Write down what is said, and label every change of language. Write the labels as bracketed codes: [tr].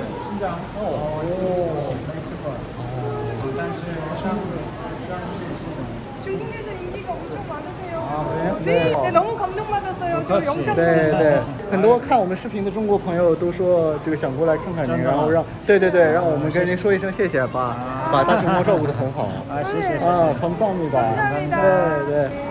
[zh] 新疆，哦，没吃过，哦，但是上次去新疆。 [ko] 중국에서 인기가 엄청 많으세요. 아, 그래요? 네, 네, 네, 너무 감동받았어요. 저 영상 네, 네. [zh] 很多看我们视频的中国朋友都说这个想过来看看您，然后让对对对，让我们跟您说一声谢谢吧，把大熊猫照顾得很好。啊，谢谢啊，彭桑米吧，对对。